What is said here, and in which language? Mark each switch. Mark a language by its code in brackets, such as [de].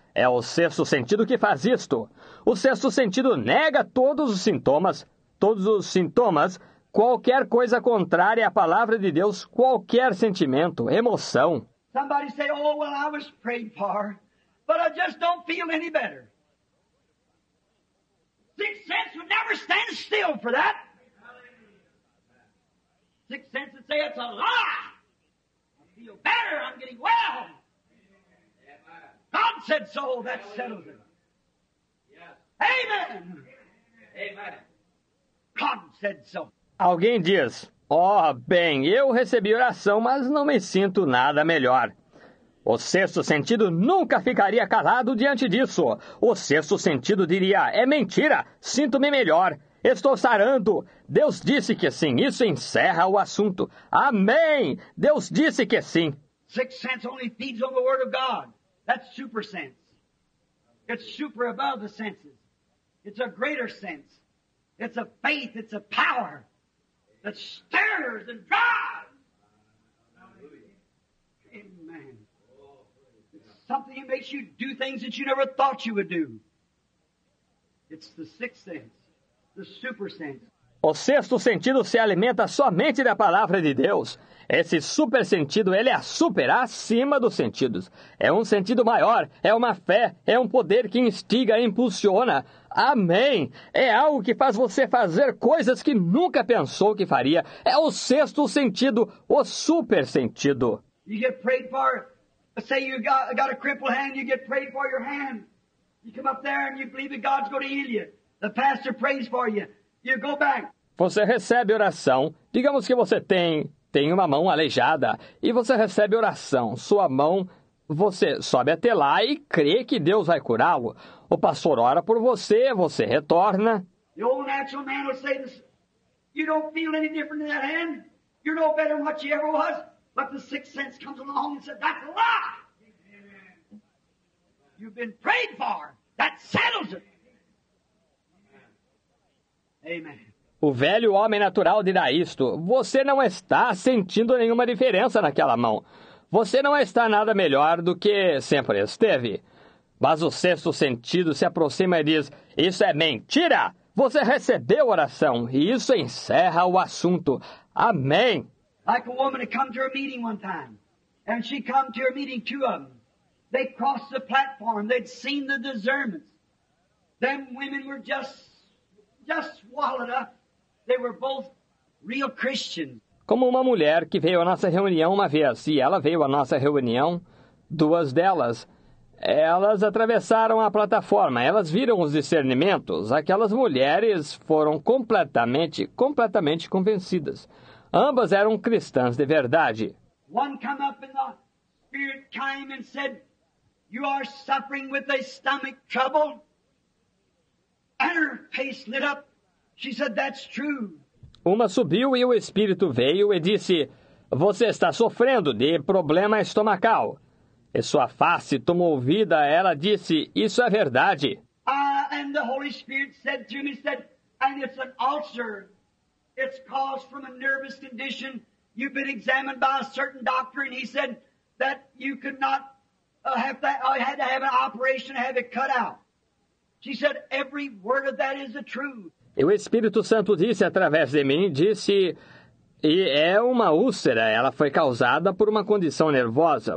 [pt] É o sexto sentido que faz isto. O sexto sentido nega todos os sintomas. Todos os sintomas, qualquer coisa contrária à palavra de Deus, qualquer sentimento, emoção. [en] Somebody say, oh, well, I was prayed for, but I just don't feel any better. Sixth sense would never stand still for that. Sixth sense would say, it's a lie. I feel better, I'm getting well. God said so, that settles it. Amen. Amen. God said so. [pt] Alguém diz, oh, bem, eu recebi oração, mas não me sinto nada melhor. O sexto sentido nunca ficaria calado diante disso. O sexto sentido diria, é mentira, sinto-me melhor, estou sarando. Deus disse que sim, isso encerra o assunto. Amém! Deus disse que sim. [en] Sixth sense only feeds on the word of God. That's super sense. It's super above the senses. It's a greater sense. It's a faith, it's a power. That stirs and drives. Amen. It's something that makes you do things that you never thought you would do. It's the sixth sense, the super sense. [pt] O sexto sentido se alimenta somente da palavra de Deus. Esse super sentido, ele é super acima dos sentidos. É um sentido maior, é uma fé, é um poder que instiga, impulsiona. Amém! É algo que faz você fazer coisas que nunca pensou que faria. É o sexto sentido, o super sentido. [en] You get prayed for, say you got a crippled hand, you get prayed for your hand. You come up there and you believe that God's going to heal you. The pastor prays for you. You go back. [pt] Você recebe oração. Digamos que você tem uma mão aleijada e você recebe oração. Sua mão, você sobe até lá e crê que Deus vai curá-lo. O pastor ora por você, você retorna. [en] The old natural man will say this. You don't feel any different in that hand. You're no better than what you ever was. But the sixth sense comes along and says, that's a lie. You've been prayed for. That settles it. Amen. [pt] O velho homem natural dirá isto, você não está sentindo nenhuma diferença naquela mão. Você não está nada melhor do que sempre esteve. Mas o sexto sentido se aproxima e diz, isso é mentira! Você recebeu oração e isso encerra o assunto. Amém! [en] Like a woman had come to her meeting one time, and she come to her meeting two of them. They crossed the platform, they'd seen the discernments. Them women were just swallowed up. They were both real Christians. [pt] Como uma mulher que veio à nossa reunião uma vez, e ela veio à nossa reunião, duas delas, elas atravessaram a plataforma, elas viram os discernimentos, aquelas mulheres foram completamente convencidas. Ambas eram cristãs de verdade. [en] One came up and the Spirit came and said, you are suffering with a stomach trouble. And her face lit up. She said, that's true. [pt] Uma subiu e o Espírito veio e disse, você está sofrendo de problema estomacal. E sua face tomou vida, ela disse, isso é verdade. [en] And the Holy Spirit said to me, said, and it's an ulcer. It's caused from a nervous condition. You've been examined by a certain doctor and he said that you could not have that, I had to have an operation to have it cut out. She said, every word of that is the truth. [pt] E o Espírito Santo disse através de mim, disse, e é uma úlcera, ela foi causada por uma condição nervosa.